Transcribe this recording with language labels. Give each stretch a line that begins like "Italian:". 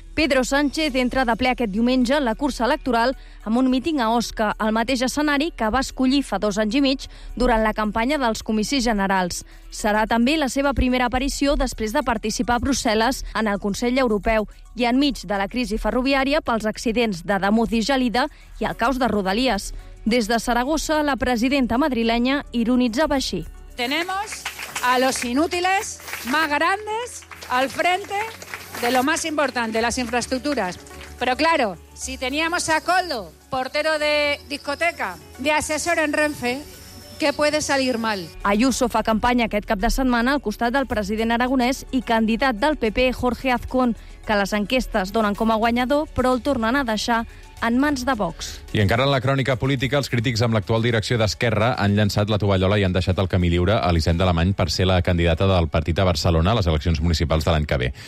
Catalan: Pedro Sánchez entra de ple aquest diumenge en la cursa electoral amb un míting a Osca, el mateix escenari que va escollir fa 2 anys i mig durant la campanya dels comicis generals. Serà també la seva primera aparició després de participar a Brussel·les en el Consell Europeu i enmig de la crisi ferroviària pels accidents de Damuz i Gelida i el caos de Rodalies. Des de Saragossa, la presidenta madrilenya ironitzava així.
Spanish: Tenemos a los inútiles más grandes al frente de lo más importante, las infraestructuras. Pero claro, si teníamos a Coldo, portero de discoteca, de asesor en Renfe, ¿qué puede salir mal?
Catalan: Ayuso fa campanya aquest cap de setmana al costat del president aragonès i candidat del PP, Jorge Azcón, que les enquestes donen com a guanyador, però el tornen a deixar en mans de Vox. I encara en la crònica política, els crítics amb l'actual direcció d'Esquerra han llançat la tovallola i han deixat el camí lliure a Elisenda Alemany per ser la candidata del partit a Barcelona a les eleccions municipals de l'any que ve.